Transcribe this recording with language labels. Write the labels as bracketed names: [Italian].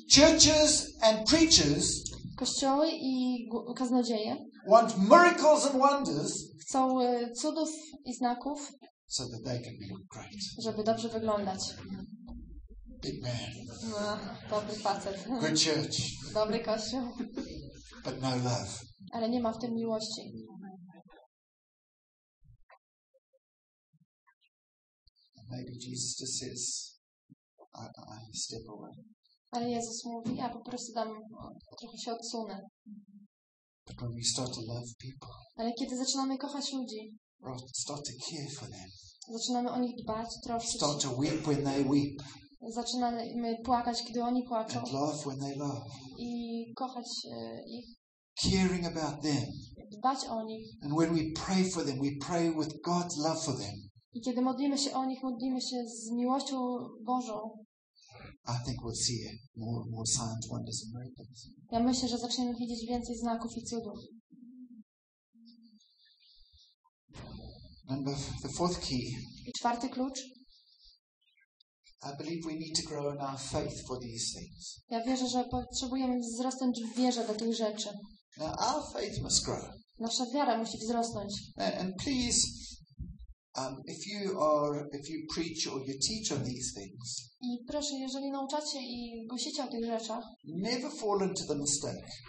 [English] churches and preachers, [Polish] kościoły i kaznodzieje, [English] want miracles and wonders, [Polish] chcą cudów i znaków, [English] so that they can look great, [Polish] żeby dobrze wyglądać. [English] Big man, [Polish] dobry facet, [English] good church, [Polish] dobry kościół, [English] but no love, [Polish] ale nie ma w tym miłości. [English] And maybe Jesus just says. I step away. [Polish] Ale Jezus mówi, ja po prostu dam trochę się odsunę. [English] But when we start to love people, [Polish] ale kiedy zaczynamy kochać ludzi, [English] start to care for them, [Polish] zaczynamy o nich dbać, troszczyć. [English] Start to weep when they weep, [Polish] zaczynamy płakać, kiedy oni płaczą. [English] And love when they love, [Polish] i kochać ich. [English] Caring about them, [Polish] dbać o nich. [English] And when we pray for them, we pray with God's love for them. [Polish] I kiedy modlimy się o nich, modlimy się z miłością Bożą. [English] I think we'll see more signs, wonders and miracles. [Polish] Ja myślę, że zaczniemy widzieć więcej znaków i cudów. [English] Number the fourth key. [Polish] I czwarty klucz. [English] I believe we need to grow in our faith for these things. [Polish] Ja wierzę, że potrzebujemy wzrosnąć w wierze do tych rzeczy. [English] Now our faith must grow. [Polish] Nasza wiara musi wzrosnąć. [English] And please. If you preach or you teach on these things. [Polish] I proszę, jeżeli nauczacie i głosicie o tych rzeczach. [English] Never fall into the mistake.